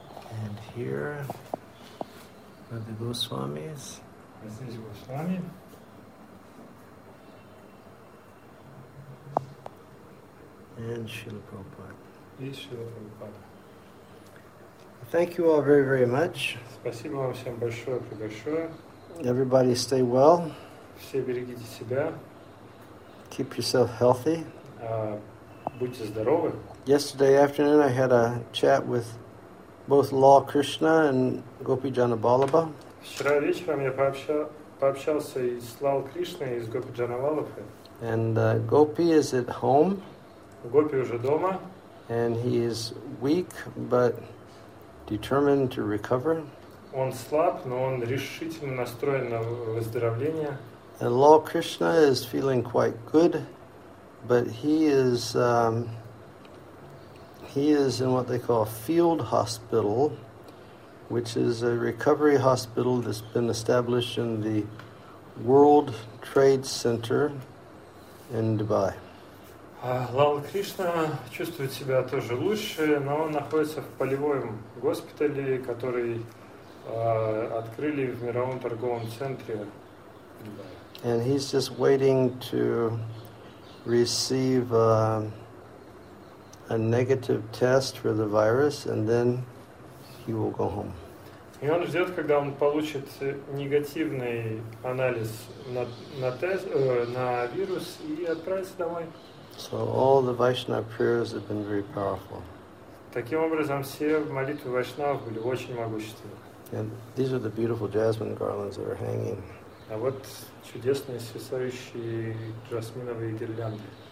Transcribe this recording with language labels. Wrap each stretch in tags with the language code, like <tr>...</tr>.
<en>And here are the Goswamis. This is Goswami. And Srila Prabhupada.</en> <ru>И Srila Prabhupada.</ru> <en>Thank you all very, very much.</en> <ru>Спасибо вам всем большое-пребольшое.</ru> <en>Everybody stay well.</en> <ru>Все берегите себя.</ru> <en>Keep yourself healthy.</en> <ru>Будьте здоровы.</ru> <en>Yesterday afternoon I had a chat with both Lal Krishna and Gopijana Balabha.</en> <ru>Вчера вечером я пообщался и с Лал Кришной, и с Гопиджана Валабхой.</ru> <en>And Gopi is at home.</en> <ru>Гопи уже дома.</ru> <en>And he is weak, but determined to recover.</en> <ru>Он слаб, но он решительно настроен на выздоровление.</ru> <en>And Lal Krishna is feeling quite good, but he is in what they call a field hospital, which is a recovery hospital that's been established in the World Trade Center in Dubai.</en> <ru>Лал Кришна чувствует себя тоже лучше, но он находится в полевом госпитале, который открыли в мировом торговом центре в Дубае.</ru> <en>And he's just waiting to receive a negative test for the virus, and then he will go home.</en> <ru>И он ждет, когда он получит негативный анализ на тест на вирус и отправится домой.</ru> <en>So all the Vaishnava prayers have been very powerful.</en> <ru>Таким образом, все молитвы Вайшнав были очень могущественны.</ru> <en>And these are the beautiful jasmine garlands that are hanging.</en> <ru>А вот чудесные свисающие жасминовые гирлянды.</ru>